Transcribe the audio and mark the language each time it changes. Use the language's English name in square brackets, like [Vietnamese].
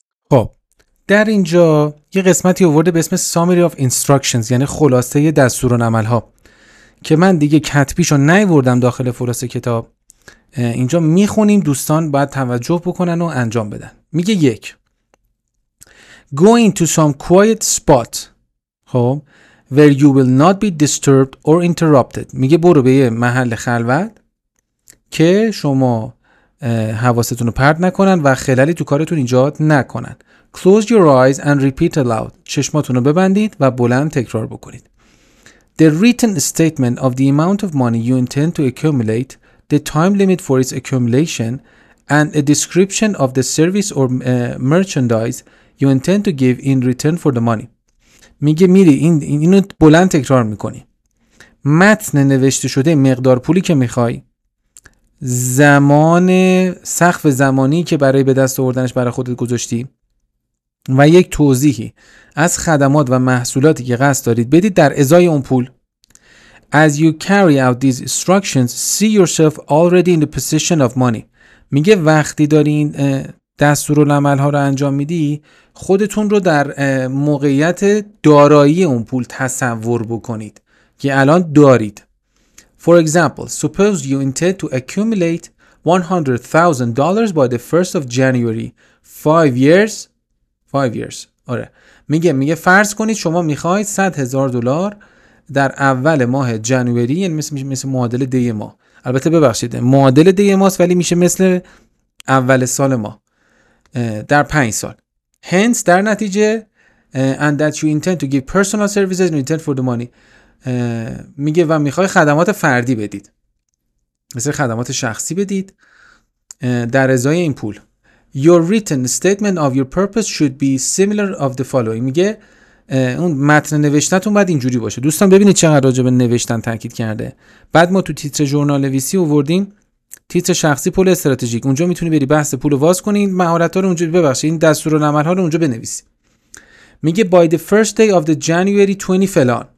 [Persian] خب در اینجا یه قسمتی آورده به اسم Summary of Instructions، یعنی خلاصه دستوران عمل ها، که من دیگه کتبیشو نیوردم داخل فولاس کتاب. اینجا میخونیم، دوستان باید توجه بکنن و انجام بدن. میگه 1. [English] Go into some quiet spot where you will not be disturbed or interrupted. [Persian] میگه برو به یه محل خلوت که شما حواستون رو پرت نکنن و خللی تو کارتون ایجاد نکنن. [English] Close your eyes and repeat aloud. [Persian] چشماتون رو ببندید و بلند تکرار بکنید. [English] The written statement of the amount of money you intend to accumulate, the time limit for its accumulation, and a description of the service or merchandise you intend to give in return for the money. [Persian] میگه میری اینو بلند تکرار میکنی. متن نوشته شده مقدار پولی که میخوای، زمان، سقف زمانی که برای به دست آوردنش برای خودت گذاشتی و یک توضیحی از خدمات و محصولاتی که قصد دارید بدید در ازای اون پول. [English] As you carry out these instructions, see yourself already in the possession of money. [Persian] میگه وقتی دارین دستورالعمل ها رو انجام میدی، خودتون رو در موقعیت دارایی اون پول تصور بکنید که الان دارید. [English] For example, suppose you intend to accumulate $100,000 by the 1st of January. 5 years. [Persian] آره. میگه فرض کنید شما میخواید 100,000 دلار در اول ماه جنوری، یعنی مثل معادل دی ما. البته ببخشید، معادل دی ماست ولی میشه مثل اول سال ما در 5 سال. [English] Hence [Persian] در نتیجه [English] and that you intend to give personal services in return for the money. [Persian] میگه و میخوای خدمات فردی بدید. مثل خدمات شخصی بدید در ازای این پول. [English] Your written statement of your purpose should be similar of the following. [Persian] میگه اون متن نوشتنتون باید اینجوری باشه. دوستان ببینید چقدر راجع به نوشتن تاکید کرده. بعد ما تو تیتر ژورنال نویسی آوردیم تیتر شخصی پول استراتژیک. اونجا میتونی بری بحث پول رو واس کنی، مهارت‌ها رو اونجا ببخشی، این دستورالعمل‌ها رو اونجا بنویسی. میگه [English] by the first day of the January 20 [Persian] فلان.